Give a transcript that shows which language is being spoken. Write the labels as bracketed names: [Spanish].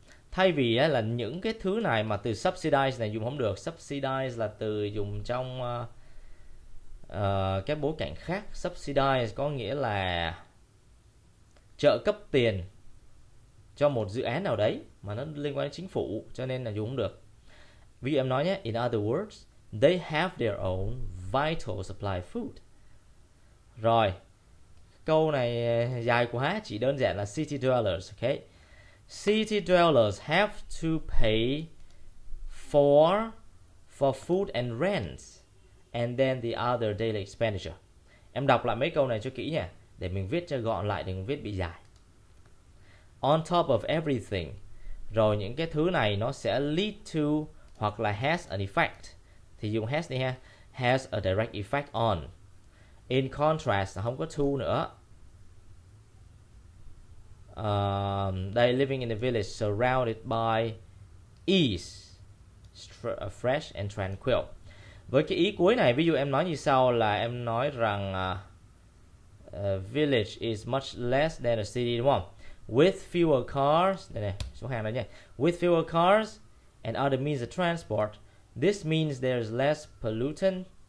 [Vietnamese] Thay vì là những cái thứ này mà từ subsidize này dùng không được. Subsidize là từ dùng trong cái bối cảnh khác. Subsidize có nghĩa là trợ cấp tiền cho một dự án nào đấy mà nó liên quan đến chính phủ, cho nên là dùng không được. Ví dụ em nói nhé, [English] in other words, they have their own vital supply food. [Vietnamese] Rồi, câu này dài quá, chỉ đơn giản là [English] city dwellers, okay? City dwellers have to pay for food and rent and then the other daily expenditure. [Vietnamese] Em đọc lại mấy câu này cho kỹ nha, để mình viết cho gọn lại, đừng viết bị dài. [English] On top of everything, [Vietnamese] rồi những cái thứ này nó sẽ [English] lead to [Vietnamese] hoặc là [English] has an effect. [Vietnamese] Thì dùng has đi ha. [English] Has a direct effect on. In contrast, [Vietnamese] không có to nữa. [English] They living in the village surrounded by ease, fresh and tranquil. [Vietnamese] Với cái ý cuối này, ví dụ em nói như sau là em nói rằng [English] village is much less than a city, [Vietnamese] đúng không? [English] With fewer cars, [Vietnamese] đây này, số hàng đây nhé. [English] With fewer cars and other means of transport, this means there's less pollutant.